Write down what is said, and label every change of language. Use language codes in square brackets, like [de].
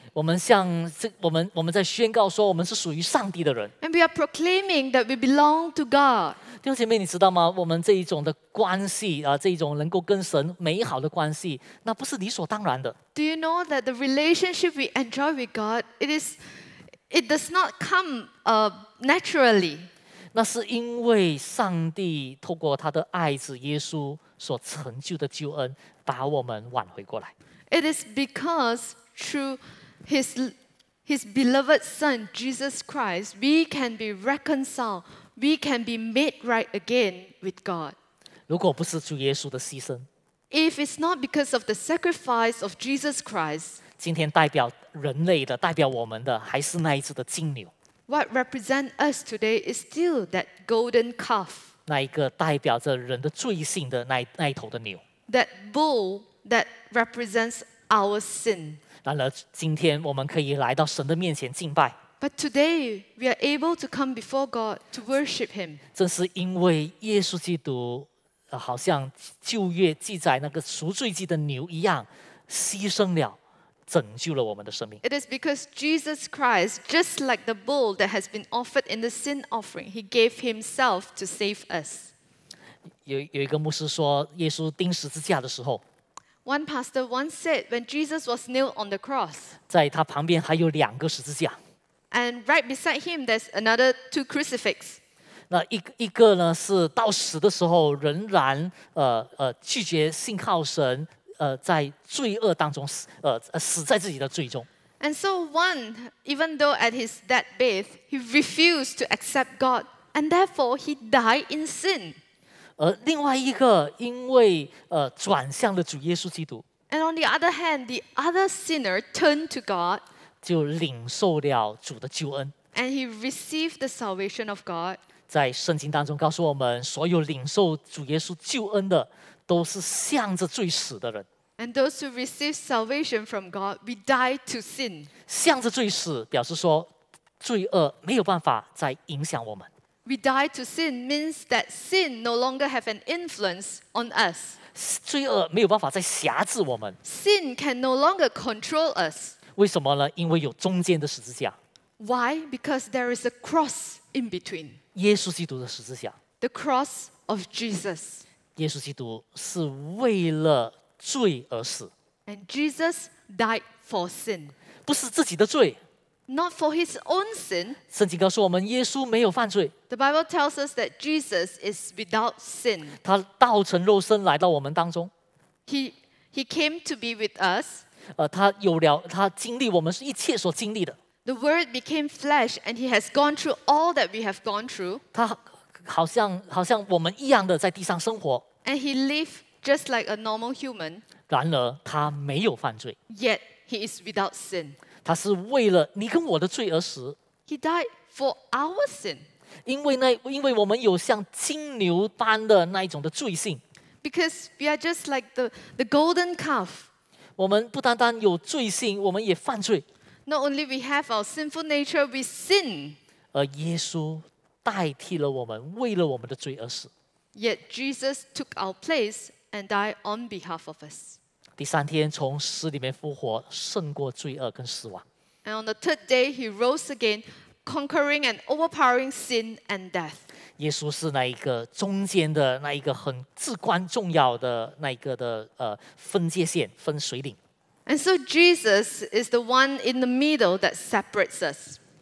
[zh] 我们向这我们在宣告说，我们是属于上帝的人。 [en] And we are proclaiming that we belong to God. [zh] 弟兄姐妹，你知道吗？我们这一种的关系啊，这一种能够跟神美好的关系，那不是理所当然的。 [en] Do you know that the relationship we enjoy with God, it does not come naturally? [zh] 那是因为上帝透过他的爱子耶稣所成就的救恩，把我们挽回过来。 [en] It is because through his beloved Son Jesus Christ, we can be reconciled. We can be made right again with God. [zh] 如果不是主耶稣的牺牲， [en] If it's not because of the sacrifice of Jesus Christ, [zh] 今天代表人类的，代表我们的，还是那一只的金牛。 [en] What represents us today is still that golden calf. [zh] 那一个代表着人的罪性的那一头的牛。 [en] That bull that represents our sin. [zh] 然而今天我们可以来到神的面前敬拜。 [en] But today, we are able to come before God to worship Him. [zh] 正是因为耶稣基督，好像旧约记载那个赎罪祭的牛一样，牺牲了，拯救了我们的生命。 [en] It is because Jesus Christ, just like the bull that has been offered in the sin offering, He gave Himself to save us. [zh] 有一个牧师说，耶稣钉十字架的时候。 [en] One pastor once said, when Jesus was nailed on the cross, [zh] 在他旁边还有两个十字架。 [en] And right beside him, there's another two crucifixes. [zh] 那一个呢是到死的时候仍然拒绝信靠神，在罪恶当中死在自己的罪中。 [en] And so one, even though at his deathbed, he refused to accept God, and therefore he died in sin. [zh] 而另外一个，因为转向了主耶稣基督。 [en] And on the other hand, the other sinner turned to God. [zh] 就领受了主的救恩。 [en] And he received the salvation of God. [zh] 在圣经当中告诉我们，所有领受主耶稣救恩的，都是向着罪死的人。 [en] And those who receive salvation from God, we die to sin. [zh] 向着罪死，表示说罪恶没有办法再影响我们。 [en] We die to sin means that sin no longer have an influence on us. [zh] 罪恶没有办法再辖制我们。 [en] Sin can no longer control us. [zh] 为什么呢？因为有中间的十字架。 [en] Why? Because there is a cross in between. [zh] 耶稣基督的十字架。 [en] The cross of Jesus. [zh] 耶稣基督是为了罪而死。 [en] And Jesus died for sin. [zh] 不是自己的罪。 [en] Not for his own sin. [zh] 圣经告诉我们耶稣没有犯罪。 [en] The Bible tells us that Jesus is without sin. [zh] 他道成肉身来到我们当中。 [en] He came to be with us. [zh] 他有了，他经历我们一切所经历的。 [en] The word became flesh and he has gone through all that we have gone through. [zh] 他好像我们一样的在地上生活。 [en] And he lived just like a normal human. [zh] 然而他没有犯罪。 [en] Yet he is without sin. [zh] 他是为了你跟我的罪而死。 [en] He died for our sin. [zh] 因为我们有像金牛般的那一种的罪性。 [en] Because we are just like the golden calf. [zh] 我们不单单有罪性，我们也犯罪。 [en] Not only we have our sinful nature, we sin. [zh] 而耶稣代替了我们，为了我们的罪而死。 [en] Yet Jesus took our place and die on behalf of us. [zh] 第三天从死里面复活，胜过罪恶跟死亡。 [en] And on the third day, he rose again, conquering and overpowering sin and death. [zh] 耶稣是那一个中间的那一个很至关重要的那一个的分界线、分水岭。 [en] And so Jesus is the one in the middle that separates us.